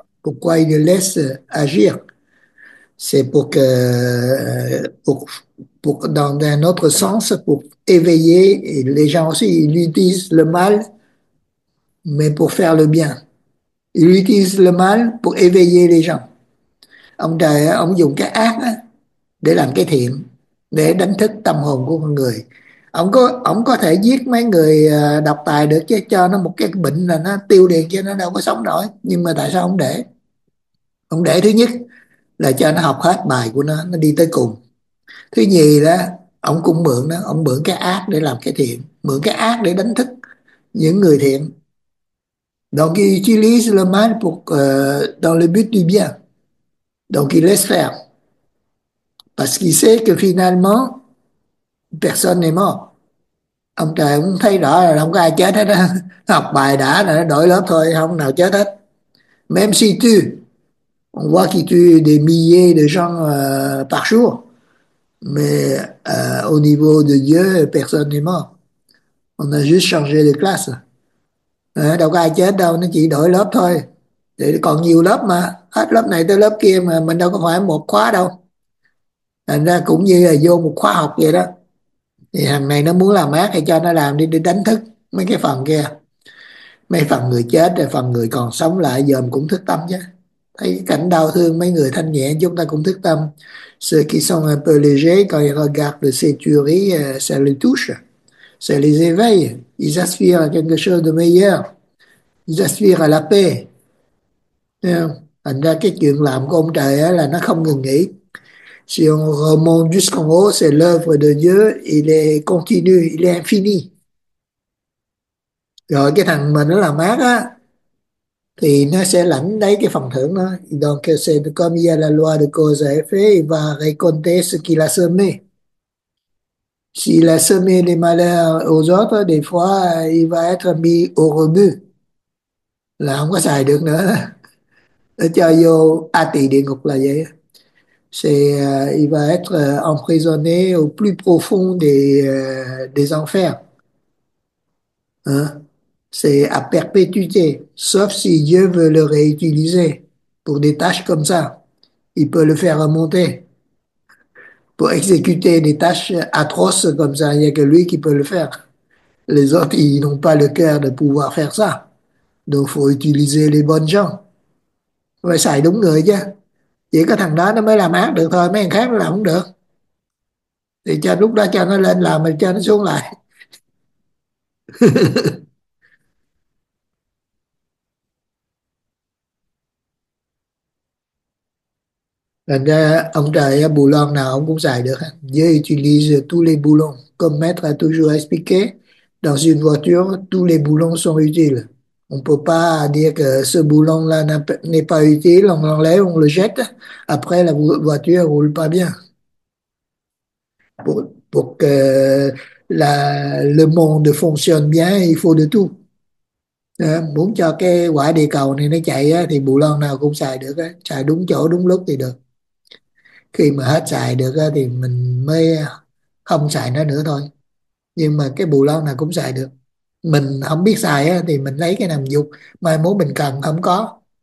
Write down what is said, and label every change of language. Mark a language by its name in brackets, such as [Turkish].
[French] Pourquoi il les laisse agir? C'est pour que, pour, dans un autre sens, pour éveiller les gens aussi. Il utilise le mal, mais pour faire le bien. Il utilise le mal pour éveiller les gens. [Vietnamese] Ông dùng cái ác để làm cái thiện, để đánh thức tâm hồn của con người. Ông có thể giết mấy người độc tài được chứ, cho nó một cái bệnh là nó tiêu điền cho nó đâu có sống nổi. Nhưng mà tại sao ông để? Ông để thứ nhất là cho nó học hết bài của nó đi tới cùng. Thứ nhì đó, ông cũng mượn nó, ông mượn cái ác để làm cái thiện, mượn cái ác để đánh thức những người thiện. [French] Donc il utilise le mal pour dans le but du bien. Donc il laisse faire. Parce qu'il sait que finalement, personne n'est mort. [Vietnamese] Ông trời cũng thấy rõ là không có ai chết hết á. Học bài đã là nó đổi lớp thôi, không nào chết hết. [French] Même s'il tue, on voit qu'il tue des milliers de gens par jour. Mais au niveau de Dieu, personne n'est mort. On a juste changé de classe. [Vietnamese] Đâu có ai chết đâu, nó chỉ đổi lớp thôi. Thì còn nhiều lớp mà. Hết lớp này tới lớp kia mà mình đâu có phải một khóa đâu. Thành ra cũng như là vô một khóa học vậy đó. Thì hàng này nó muốn làm ác thì cho nó làm đi, để đánh thức mấy cái phần kia. Mấy phần người chết rồi phần người còn sống lại dòm cũng thức tâm chứ. Thấy cái cảnh đau thương mấy người thanh nhẹ chúng ta cũng thức tâm. [French] Ceux qui sont un peu légers, quand ils regardent ces tueries, ça les touche. Ça les éveille. Ils aspirent à quelque chose de meilleur. Ils aspirent à la paix. [Vietnamese] Thành ra cái chuyện làm của ông trời là nó không ngừng nghỉ. [French] Si on remonte jusqu'en haut, c'est l'œuvre de Dieu, il est continu, il est infini. [Vietnamese] Rồi cái thằng mà nó làm ác á, thì nó sẽ lãnh lấy cái phần thưởng đó. [French] Donc c'est comme il y a la loi de cause et effet, il va récolter ce qu'il a semé. S'il a semé des malheurs aux autres, des fois, il va être mis au rebut. [Vietnamese] Là không có xài được nữa. Nó cho vô A Tỳ Địa Ngục là vậy. [French] Il va être emprisonné au plus profond des enfers. Hein? C'est à perpétuité, sauf si Dieu veut le réutiliser pour des tâches comme ça. Il peut le faire remonter pour exécuter des tâches atroces comme ça. Il n'y a que lui qui peut le faire. Les autres, ils n'ont pas le cœur de pouvoir faire ça. Donc, faut utiliser les bonnes gens. Faut [Vietnamese] xài đúng người chứ. Chỉ có thằng đó nó mới làm ác được thôi, mấy thằng khác nó làm không được. Thì cho lúc đó cho nó lên làm mình cho nó xuống lại. Thì ra ông trời bù lon nào ông cũng xài được. [French] Dieu utilise tous les boulons. Comme maître a toujours expliqué, dans une voiture, tous les boulons sont utiles. On ne peut pas dire que ce boulon-là n'est pas utile, on l'enlève, on le jette. Après, la voiture roule pas bien. Pour que le monde fonctionne bien, il faut de tout. [Vietnamese] Muốn cho cái quả địa cầu này nó chạy á, thì boulon nào cũng xài được á. Xài đúng chỗ, đúng lúc thì được. Khi mà hết xài được á, thì mình mới không xài nó nữa thôi. Nhưng mà cái boulon nào cũng xài được. Mình không biết xài á, thì mình lấy cái làm dục, mai mốt mình cần không có